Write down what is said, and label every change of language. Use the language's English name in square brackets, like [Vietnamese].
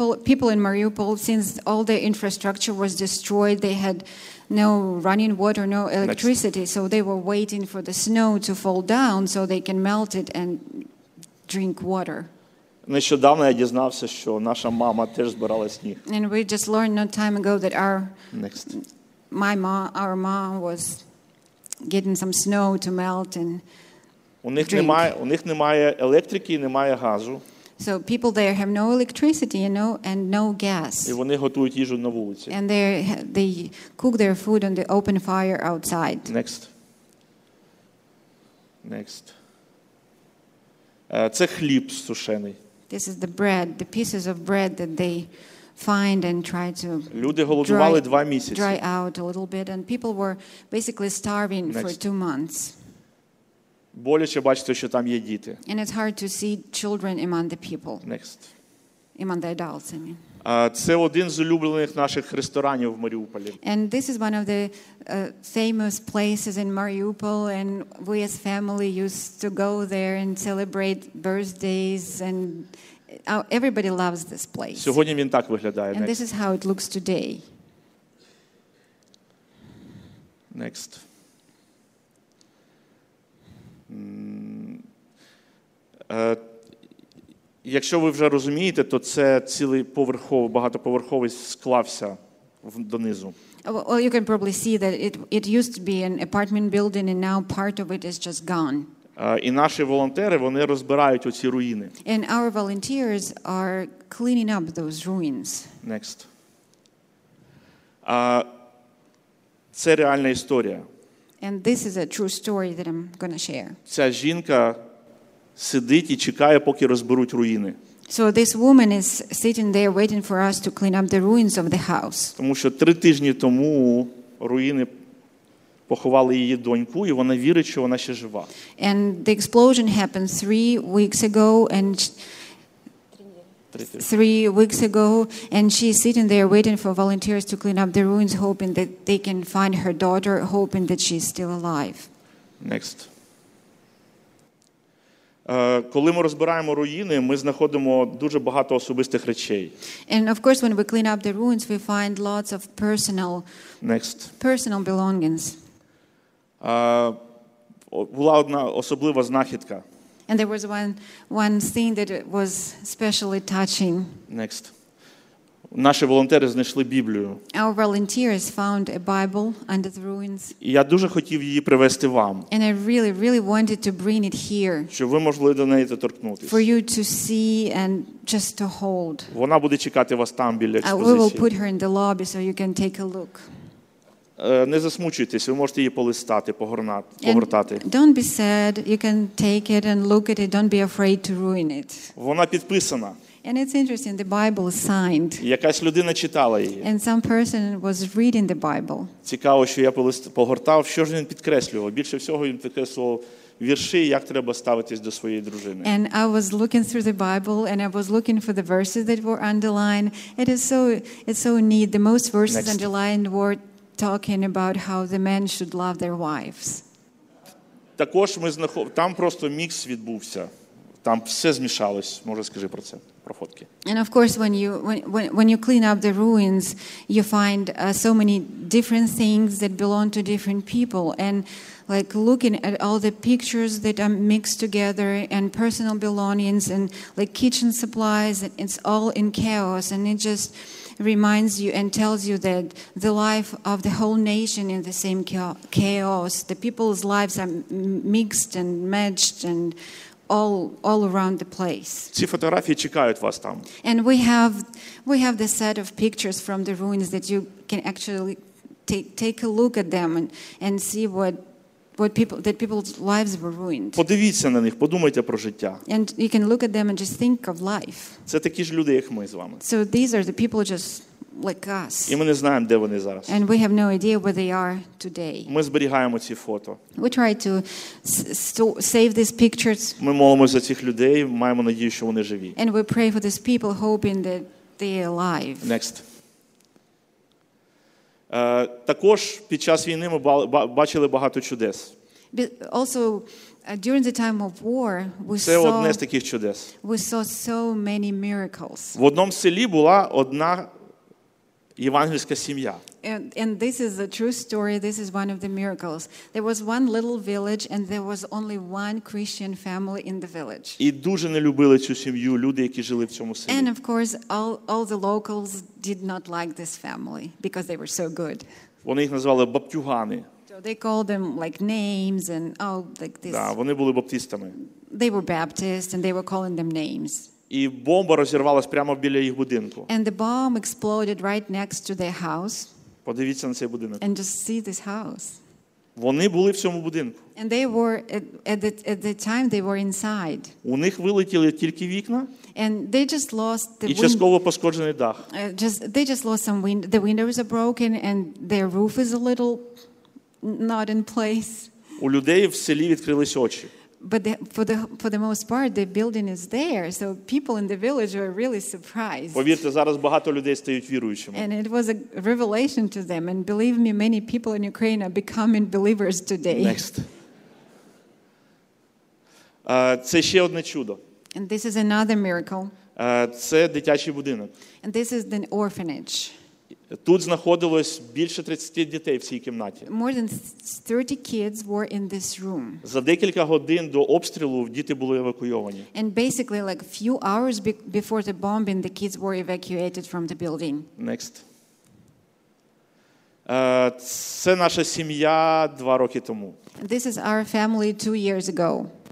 [English] People in Mariupol, since all the infrastructure was destroyed, they had no running water, no electricity, Next. So they were waiting for the snow to fall down so they can melt it and drink water. [Ukrainian] Нещодавно я дізнався, що наша мама теж збирала сніг. [English] And we just learned not time ago that our Next. My mom, our mom was getting some snow to melt and [Ukrainian] У них немає електрики, немає газу. [English] So people there have no electricity, you know, and no gas. [Ukrainian] І вони готують їжу на вулиці. [English] And they cook their food on the open fire outside. Next. [Ukrainian] Це хліб сушений. [English] This is the bread, the pieces of bread that they find and try to [Ukrainian] Люди голодували 2 місяці. [English] Dry out a little bit and people were basically starving Next. For 2 months. [Ukrainian] Боляче бачити, що там є діти. [English] And it's hard to see children among the people. Next. Among the adults, I mean. [Ukrainian] Це один з улюблених наших ресторанів в Маріуполі. [English] And this is one of the famous places in Mariupol and we as family used to go there and celebrate birthdays and everybody loves this place. [Ukrainian] Сьогодні він так виглядає. [English] And this is how it looks today. Next. [Ukrainian] Якщо ви вже розумієте, то це цілий поверховий, багатоповерховий склався донизу. [English] Well, you can probably see that it used to be an apartment building and now part of it is just gone. [Ukrainian] І наші волонтери, вони розбирають оці руїни. [English] And our volunteers are cleaning up those ruins. Next. [Ukrainian] Це реальна історія. [English] And this is a true story that I'm going to share. [Ukrainian] Ця жінка сидить і чекає, поки розберуть руїни. [English] So this woman is sitting there waiting for us to clean up the ruins of the house. [Ukrainian] Тому що 3 тижні тому руїни поховали її доньку, і вона вірить, що вона ще жива. [English] And the explosion happened 3 weeks ago and 3 weeks ago and she's sitting there waiting for volunteers to clean up the ruins hoping that they can find her daughter hoping that she's still alive. Next. [Ukrainian] Коли ми розбираємо руїни, ми знаходимо дуже багато особистих речей. [English] And of course when we clean up the ruins we find lots of personal Next. Personal belongings. [Ukrainian] Була одна особлива знахідка. [English] And there was one thing that was especially touching. Next. [Ukrainian] Наші волонтери знайшли Біблію. [English] Our volunteers found a Bible under the ruins. [Ukrainian] І я дуже хотів її привезти вам. [English] And I really, really wanted to bring it here. [Ukrainian] Щоб ви могли до неї торкнутися. [English] For you to see and just to hold. [Ukrainian] Вона буде чекати вас там біля експозиції. [English] We will put her in the lobby so you can take a look. [Ukrainian] Не засмучуйтесь, ви можете її полистати, погортати. [English] And don't be sad, you can take it and look at it, don't be afraid to ruin it. [Ukrainian] Вона підписана. [English] And it's interesting, the Bible is signed. [Ukrainian] Якась людина читала її. [English] And some person was reading the Bible. [Ukrainian] Цікаво, що я погортав, що ж він підкреслював. Більше всього він підкреслював вірші, як треба ставитись до своєї дружини. [English] And I was looking through the Bible and I was looking for the verses that were underlined. It's so neat, the most verses Next. Underlined were talking about how the men should love their wives. [Ukrainian] Також ми там просто мікс відбувся. Там все змішалось. Може, скажи про це, про фотки. [English] And of course when you clean up the ruins, you find so many different things that belong to different people and like looking at all the pictures that are mixed together and personal belongings and like kitchen supplies and it's all in chaos and it just reminds you and tells you that the life of the whole nation in the same chaos. The people's lives are mixed and matched and all around the place. [Ukrainian] Ці фотографії чекають вас там. [English] And we have the set of pictures from the ruins that you can actually take a look at them and see what people's lives were ruined. [Ukrainian] Подивіться на них, подумайте про життя. [English] And you can look at them and just think of life. [Ukrainian] Це такі ж люди, як ми з вами. [English] So these are the people just like us. [Ukrainian] І ми не знаємо, де вони зараз. [English] And we have no idea where they are today. [Ukrainian] Ми зберігаємо ці фото. [English] We try to save these pictures. [Ukrainian] Ми молимося за цих людей, маємо надію, що вони живі. [English] And we pray for these people hoping that they are alive. Next. [Ukrainian] Також під час війни ми бачили багато чудес. [English] Also, during the time of war, [Ukrainian] Це одне з таких чудес. [English] We saw so many miracles. [Ukrainian] В одному селі була одна євангельська сім'я. [English] And this is a true story. This is one of the miracles. There was one little village and there was only one Christian family in the village. [Ukrainian] І дуже не любили цю сім'ю люди, які жили в цьому селі. [English] And of course, all the locals did not like this family because they were so good. [Ukrainian] Вони їх називали бабтюгани. [English] So they called them like names and this. [Ukrainian] Да, вони були баптистами. [English] They were Baptists and they were calling them names. [Ukrainian] І бомба розірвалась прямо біля їх будинку. [English] And the bomb exploded right next to their house. [Ukrainian] Подивіться на цей будинок. [English] And just see this house. [Ukrainian] Вони були в цьому будинку. [English] And they were at the time they were inside. [Ukrainian] У них вилетіли тільки вікна. [English] And they just lost the [Ukrainian] і частково пошкоджений дах. [English] The windows are broken and their roof is a little not in place. [Ukrainian] У людей в селі відкрились очі. [English] But for the most part, the building is there, so people in the village were really surprised. [Ukrainian] Повірте, зараз багато людей стають віруючими. [English] And it was a revelation to them, and believe me, many people in Ukraine are becoming believers today. Next. [Ukrainian] Це ще одне чудо. [English] And this is another miracle. [Ukrainian] Це дитячий будинок. [English] And this is an orphanage. [Ukrainian] Тут знаходилось більше 30 дітей в цій кімнаті. [English] More than 30 kids were in this room. [Ukrainian] За декілька годин до обстрілу діти були евакуйовані. [English] And basically like a few hours before the bombing the kids were evacuated from the building. Next. [Ukrainian] Це наша сім'я 2 роки тому. [English] This is our family 2 years ago.